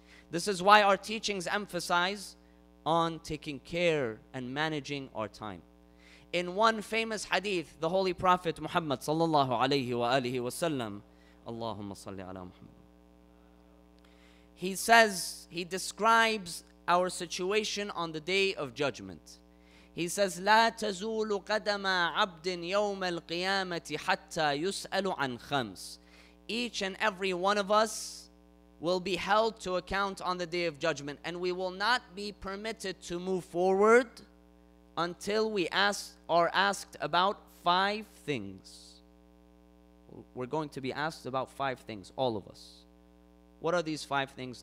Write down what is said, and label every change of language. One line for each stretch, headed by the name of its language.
English: This is why our teachings emphasize on taking care and managing our time. In one famous hadith, the Holy Prophet Muhammad sallallahu alayhi wa alihi wa sallam,
Arabic: Allahumma salli ala Muhammad.
English: He says, he describes our situation on the day of judgment. He says,
Arabic: لا تزول قدم عبد يوم القيامة حتى يسأل عن خمس.
English: Each and every one of us will be held to account on the day of judgment, and we will not be permitted to move forward until we are asked about five things. We're going to be asked about five things, all of us. What are these five things?